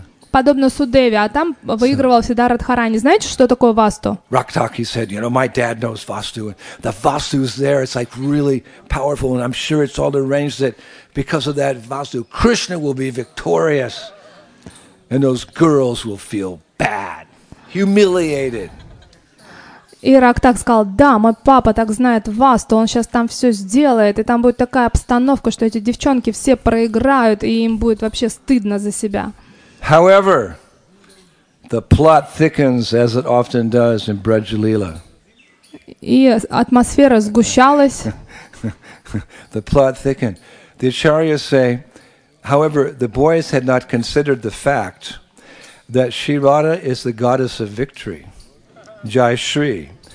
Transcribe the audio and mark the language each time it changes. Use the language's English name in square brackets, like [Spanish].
[Russian] Подобно Судеви, а там выигрывал всегда Радхарани. Знаете, что такое Васту? [English] Рактаки said, you know, my dad knows Vastu. The Vastu is there, it's like really powerful, and I'm sure it's all arranged that because of that Vastu, Krishna will be victorious, and those girls will feel bad. Humiliated. [Russian] И Рак так сказал, да, мой папа так знает вас, то он сейчас там все сделает, и там будет такая обстановка, что эти девчонки все проиграют, и им будет вообще стыдно за себя. [English] However, the plot thickens, as it often does in Brajalila. [Russian] И атмосфера сгущалась. [English] The plot thickened. The acharyas say, however, the boys had not considered the fact that Shri Radha is the goddess of victory, Jai Shri.